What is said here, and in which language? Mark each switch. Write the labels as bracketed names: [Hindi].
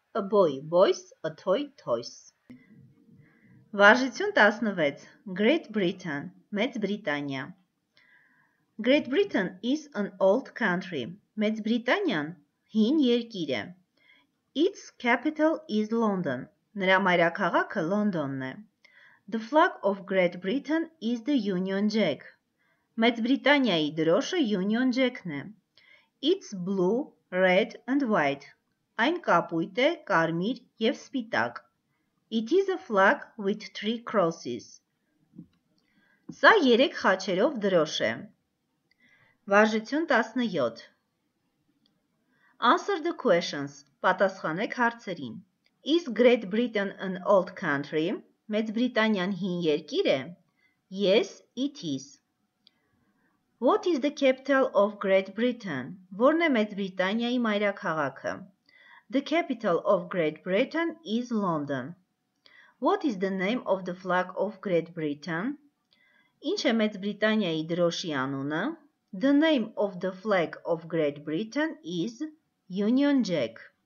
[English] A boy, boys, a toy, toys. Վարժություն 16. Great Britain, [Armenian] Մեծ Բրիտանիա. [English] Great Britain is an old country. [Armenian] Մեծ Բրիտանիան հին երկիր է. [English] Its capital is London. [Armenian] Նրա մայրաքաղաքը Լոնդոնն է. [English] The flag of Great Britain is the Union Jack. [Armenian] Մեծ Բրիտանիայի դրոշը Union Jack-ն է. [English] It's blue, red and white. [Armenian] Այն կապույտ է, կարմիր և սպիտակ. [English] It is a flag with three crosses. [Armenian] Սա 3 խաչերով դրոշ է. [English] Վարժություն 17. Answer the questions. [Armenian] Պատասխանեք հարցերին. [English] Is Great Britain an old country? [Armenian] Մեծ Բրիտանիան հին երկիր է? [English] Yes, it is. What is the capital of Great Britain? [Armenian] Որն է Մեծ Բրիտանիայի մայրաքաղաքը? [English] The capital of Great Britain is London. What is the name of the flag of Great Britain? [Armenian] Ինչ է Մեծ Բրիտանիայի դրոշի անունը? [English] The name of the flag of Great Britain is Union Jack.